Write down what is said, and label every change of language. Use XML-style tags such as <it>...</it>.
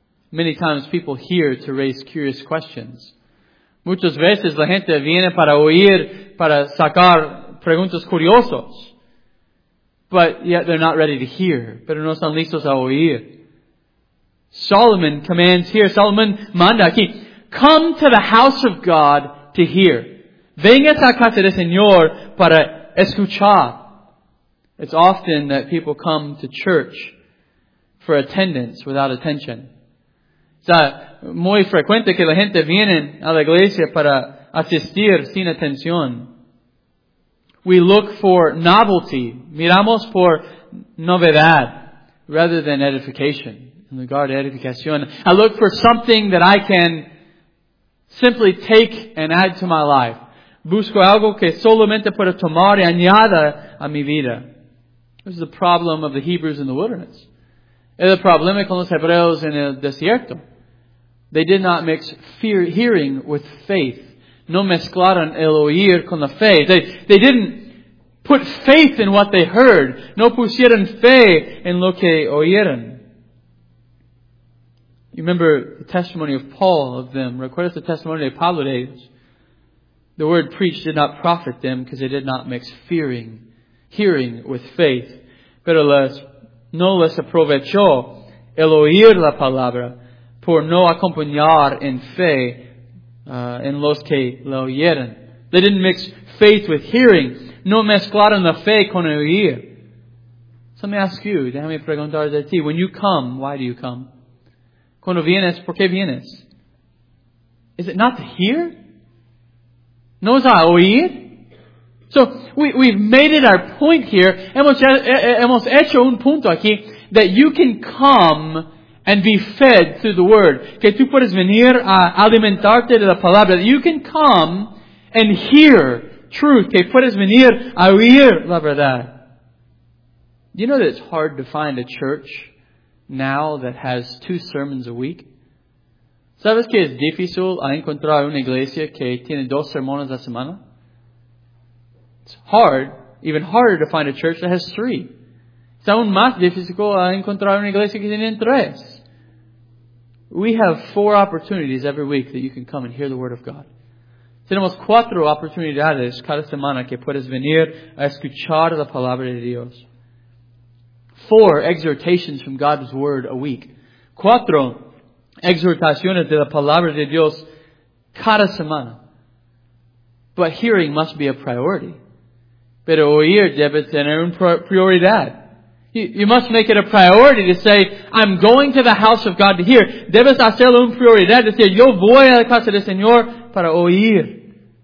<en>Many times people hear to raise curious questions.</en> <es>Muchas veces la gente viene para oír, para sacar preguntas curiosas.</es> <en>But yet they're not ready to hear.</en> <es>Pero no están listos a oír.</es> <en>Solomon commands here.</en> <es>Solomon manda aquí.</es> <en>Come to the house of God to hear.</en> <es>Venga a casa del Señor para escuchar.</es> <en>It's often that people come to church for attendance without attention.</en> <es>Es muy frecuente que la gente viene a la iglesia para asistir sin atención.</es> <en>We look for novelty.</en> <es>Miramos por novedad</es> <en>rather than edification. In regard to edification, I look for something that I can simply take and add to my life.</en> <es>Busco algo que solamente pueda tomar y añada a mi vida.</es> <en>This is the problem of the Hebrews in the wilderness.</en> <es>Es el problema con los hebreos en el desierto.</es> <en>They did not mix hearing with faith.</en> <es>No mezclaron el oír con la fe.</es> <en>They didn't put faith in what they heard.</en> <es>No pusieron fe en lo que oyeron.</es> <en>You remember the testimony of Paul of them.</en> <es>Recuerdas el testimonio de Pablo de ellos.</es> <en>The word preached did not profit them because they did not mix hearing with faith.</en> <es>Pero no les aprovechó el oír la palabra por no acompañar en fe en los que la oyeron.</es> <en>They didn't mix faith with hearing.</en> <es>No mezclaron la fe con el oír.</es> <en>So let me ask you,</en> <es>déjame preguntar de ti.</es> <en>When you come, why do you come?</en> <es>Cuando vienes, ¿por qué vienes?</es> <en>Is it not to hear?</en> <es>No es a oír.</es> <en>So, we've made it our point here.</en> <es>Hemos hecho un punto aquí.</es> <en>That you can come and be fed through the Word.</en> <es>Que tú puedes venir a alimentarte de la palabra.</es> <en>That you can come and hear truth.</en> <es>Que puedes venir a oír la verdad.</es> <en>Do you know that it's hard to find a church now that has two sermons a week?</en> <es>¿Sabes que es difícil encontrar una iglesia que tiene dos sermones a semana?</es> <en>It's hard, even harder to find a church that has three.</en> <es>Es aún más difícil encontrar una iglesia que tiene tres.</es> <en>We have four opportunities every week that you can come and hear the Word of God.</en> <es>Tenemos cuatro oportunidades cada semana que puedes venir a escuchar la Palabra de Dios.</es> <en>Four exhortations from God's Word a week.</en> <es>Cuatro exhortaciones de la Palabra de Dios cada semana.</es> <en>But hearing must be a priority.</en> <es>Pero oír debe tener una prioridad.</es> <en>You must make it a priority to say, I'm going to the house of God to hear.</en> <es>Debes hacerlo una prioridad de decir, yo voy a la casa del Señor para oír.</es>